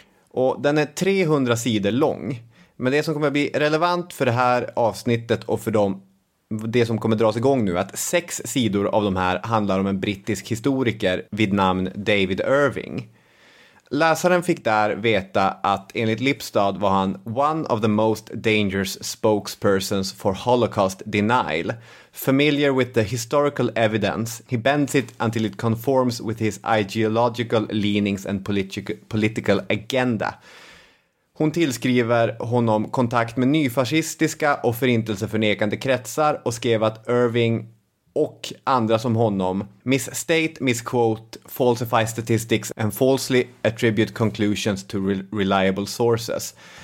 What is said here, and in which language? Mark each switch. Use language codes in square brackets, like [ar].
[sv] Och den är 300 sidor lång. Men det som kommer att bli relevant för det här avsnittet och för det som kommer dras igång nu, att 6 sidor av de här handlar om en brittisk historiker vid namn David Irving. Läsaren fick där veta att enligt Lipstad var han [en] one of the most dangerous spokespersons for Holocaust denial. Familiar with the historical evidence, he bends it until it conforms with his ideological leanings and political agenda. [sv] Hon tillskriver honom kontakt med nyfascistiska och förintelseförnekande kretsar och skrev att Irving och andra som honom [en] misstate, misquote, falsify statistics and falsely attribute conclusions to reliable sources.